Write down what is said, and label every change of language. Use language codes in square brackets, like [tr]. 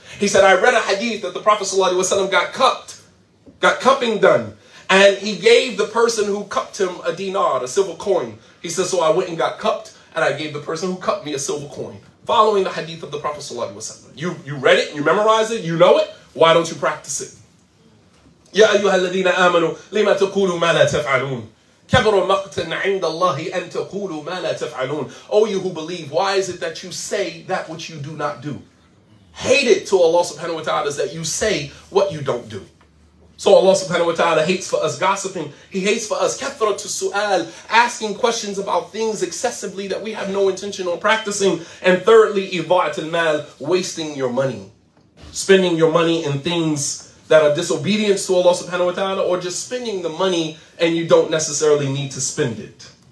[en] He said, I read a hadith that the Prophet sallallahu alaihi wasallam got cupping done, and he gave the person who cupped him a dinar, a silver coin. He said, so I went and got cupped, and I gave the person who cupped me a silver coin, following the hadith of the Prophet sallallahu alaihi wasallam. You read it, you memorize it, you know it, why don't you practice it? [ar] يَا أَيُّهَا الَّذِينَ آمَنُوا لِمَا تَقُولُوا مَا لَا تَفْعَلُونَ كَبْرُ مَقْتٍ عِنْدَ اللَّهِ أَن تَقُولُوا مَا لَا تَفْعَلُونَ [en] O you who believe, why is it that you say that which you do not do? Hate it to Allah subhanahu wa ta'ala is that you say what you don't do. So Allah subhanahu wa ta'ala hates for us gossiping. He hates for us [ar] كَثْرَةُ السُّؤَالِ [en] asking questions about things excessively that we have no intention on practicing. And thirdly, [ar] إِضَاعَةُ الْمَالِ [en] wasting your money. Spending your money in things that are disobedience to Allah subhanahu wa ta'ala, or just spending the money and you don't necessarily need to spend it.